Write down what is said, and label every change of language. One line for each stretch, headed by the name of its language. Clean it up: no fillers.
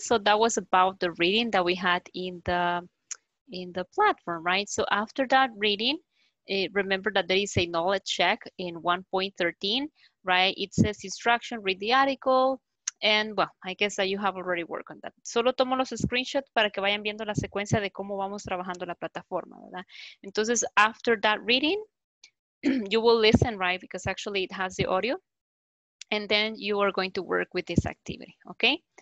English: So that was about the reading that we had in the platform, right? So after that reading, remember that there is a knowledge check in 1.13, right? It says instruction, read the article, and well, I guess that you have already worked on that.
Spanish: Solo tomo los screenshots para que vayan viendo la secuencia de cómo vamos trabajando la plataforma, ¿verdad? Entonces,
English: after that reading, you will listen, right? Because actually it has the audio, and then you are going to work with this activity, okay?